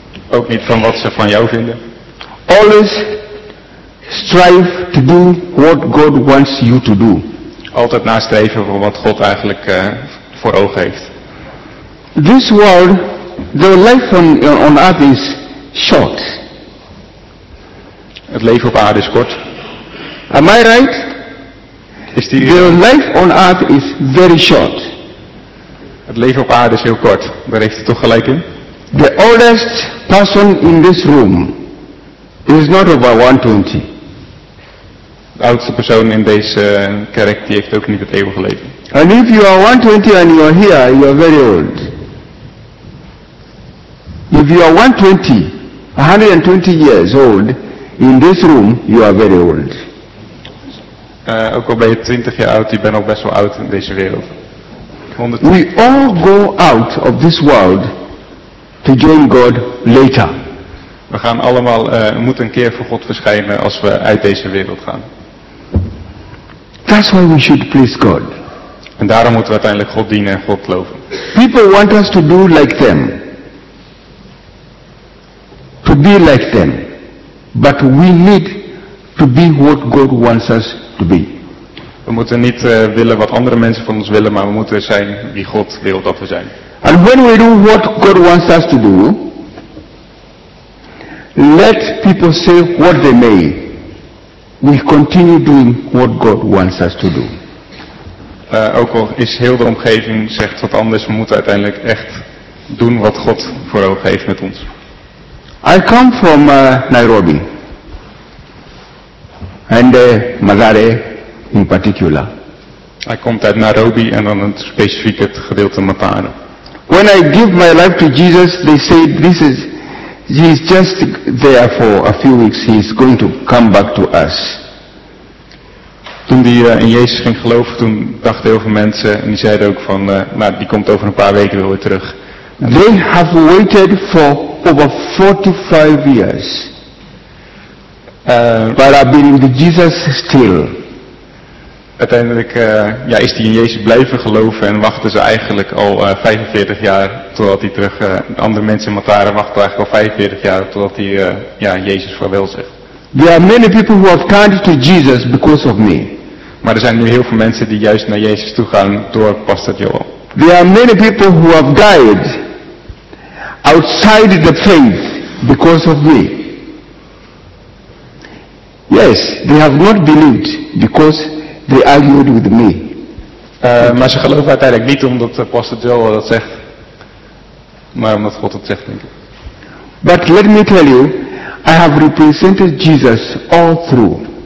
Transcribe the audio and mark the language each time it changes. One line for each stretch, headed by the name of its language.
Dutch: Ook niet van wat ze van jou vinden.
English: Always strive to do what God wants you to do.
Dutch: Altijd nastreven voor wat God eigenlijk voor ogen heeft.
English: This world, the life on earth is short.
Dutch: Het leven op aarde is kort.
English: Am I right?
Dutch: Is die
English: the life on earth is very short.
Dutch: Het leven op aarde is heel kort. Daar heeft hij toch gelijk in.
English: The oldest person in this room is not over 120.
Dutch: De oudste persoon in deze kerk die heeft ook niet het eeuwige leven.
English: And if you are 120 and you are here, you are very old. If you are 120 years old in this room, you are very old.
Dutch: Ook al ben je 20 jaar oud, je bent al best wel oud in deze wereld.
English: We all go out of this world to join God later.
Dutch: We gaan allemaal moeten een keer voor God verschijnen als we uit deze wereld gaan.
English: That's why we should please God.
Dutch: En daarom moeten we uiteindelijk God dienen en God loven.
English: People want us to do like them. To be like them. But we need to be what God wants us to be.
Dutch: We moeten niet willen wat andere mensen van ons willen, maar we moeten zijn wie God wil dat we zijn.
English: And when we do what God wants us to do, let people say what they may, we continue doing what God wants us to do.
Dutch: Ook al is heel de omgeving zegt wat anders, we moeten uiteindelijk echt doen wat God voor ogen heeft met ons.
English: I come from Nairobi. And Mazare in particular.
Dutch: Hij komt uit Nairobi en dan het specifieke gedeelte Matare.
English: When I give my life to Jesus, they say this is, he is just there for a few weeks, he is going to come back to us.
Dutch: Toen die in Jezus ging geloven, toen dachten heel veel mensen en die zeiden ook van, nou die komt over een paar weken wel weer terug.
English: En they have waited for over 45 years. But I've been with Jesus still.
Dutch: Uiteindelijk ja, is hij in Jezus blijven geloven en wachten ze eigenlijk al 45 jaar totdat hij terug. Andere mensen in Mataren wachten eigenlijk al 45 jaar totdat hij ja, Jezus vaarwel zegt.
English: There are many people who have turned to Jesus because of me.
Dutch: Maar er zijn nu heel veel mensen die juist naar Jezus toe gaan door Pastor Joel.
English: There are many people who have died outside the faith because of me. Yes, they have not believed because they argued with me.
Dutch: Maar ze geloven uiteindelijk niet omdat Pastor Joel dat zegt, maar omdat God het zegt, denk ik.
English: But let me tell you, I have represented Jesus all through.